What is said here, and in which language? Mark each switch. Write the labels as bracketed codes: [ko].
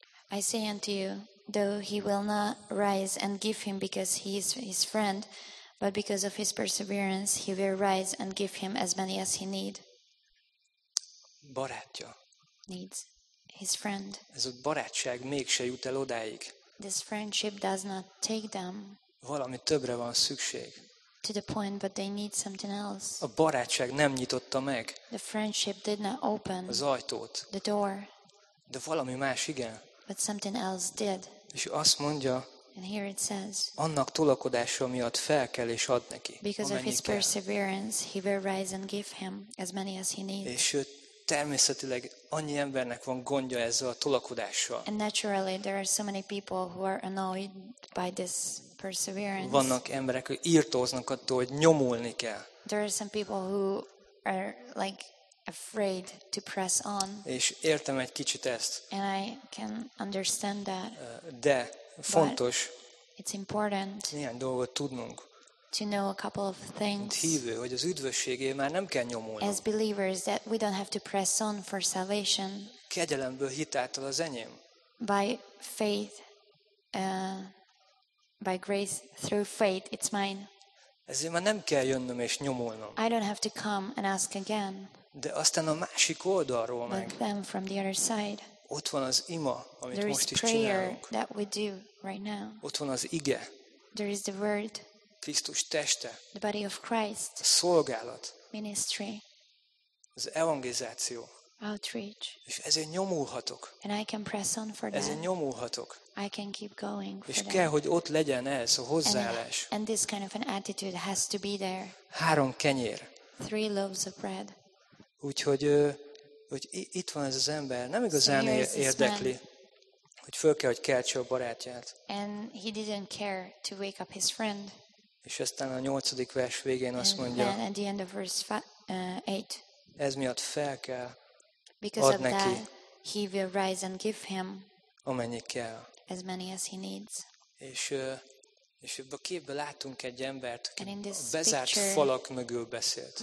[en] I say unto you, though he will not rise and give him because he is his friend, but because of his perseverance he will rise and give him as many as he need. [hu] Barátja. [en] Needs. His friend. [hu] Ez a barátság mégse jut el odáig. [en] This friendship does not take them. [hu] Valami többre van szükség. [en] To the point, but they need something else. [hu] A barátság nem nyitotta meg. [en] The friendship did not open. [hu] Az ajtót. [en] The door. [hu] De valami más igen. [en] But something else did. [hu] És azt mondja. [en] And here it says. [hu] Annak tolakodása miatt felkel és ad neki. [en] Because of his perseverance, he will rise and give him as many as he needs. [hu] És természetileg annyi embernek van gondja ezzel a tolakodással. [en] And naturally there are so many people who are annoyed by this perseverance. [hu] Vannak emberek, hogy írtóznak attól, hogy nyomulni kell. [en] There are some people who are like afraid to press on. [hu] És értem egy kicsit ezt. [en] And I can understand that. [hu] De fontos. [en] But it's important. [hu] Néhány dolgot tudnunk. [en] To know a couple of things. [hu] Hívő, hogy az üdvösségért már nem kell nyomulni. [en] As believers that we don't have to press on for salvation. [hu] Kegyelemből, hit által az enyém. [en] By faith, by grace through faith, it's mine. [hu] Ezért már nem kell jönnöm és nyomulnom. [en] I don't have to come and ask again. [hu] De aztán a másik oldalról meg. [en] But then from the other side. [hu] Ott van az ima, amit [en] there [hu] most [en] is prayer [hu] csinálunk. [en] That we do right now. [hu] Ott van az ige. [en] There is the word. [hu] Krisztus teste. [en] The body of Christ. [hu] A szolgálat. [en] Ministry. [hu] Az evangelizáció. [en] outreach. [hu] És ezért nyomulhatok. [en] And I can press on for that. [hu] Ezért nyomulhatok. [en] I can keep going for [hu] és kell, hogy ott legyen ez a hozzáállás. [en] And this kind of an attitude has to be there. [hu] Három kenyér. [en] Three loaves of bread. [hu] Úgyhogy hogy itt van ez az ember, nem igazán érdekli, hogy föl kell, hogy keltse a barátját. [en] And he didn't care to wake up his friend. [hu] És aztán a nyolcadik vers végén azt mondja, [en] and at the end of verse 8, [hu] ez miatt fel kell [en] because [hu] ad [en] of [hu] neki, [en] that, he will rise and give him [hu] amennyi kell. [en] As many as he needs. [hu] És ebben a képben látunk egy embert, aki a bezárt falak mögül beszélt.